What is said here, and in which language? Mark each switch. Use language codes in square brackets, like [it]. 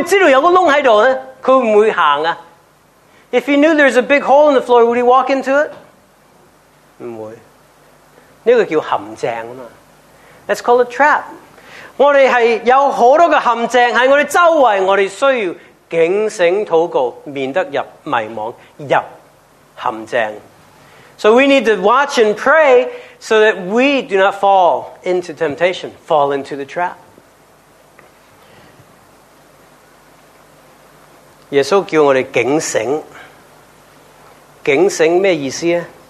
[zh] 他猜不到,如果他知道有个洞在那里,他不会走啊。 [en] If he knew there's a big hole in the floor, would he walk into it? [zh] 不会。这个叫陷阱嘛。 That's called a trap. 我们是有很多个陷阱在我们周围,我们需要警醒祷告,免得入迷惘,入陷阱。 [en] So we need to watch and pray so that we do not fall into temptation, fall into the trap. [zh] 耶稣叫我们警醒。警醒什么意思?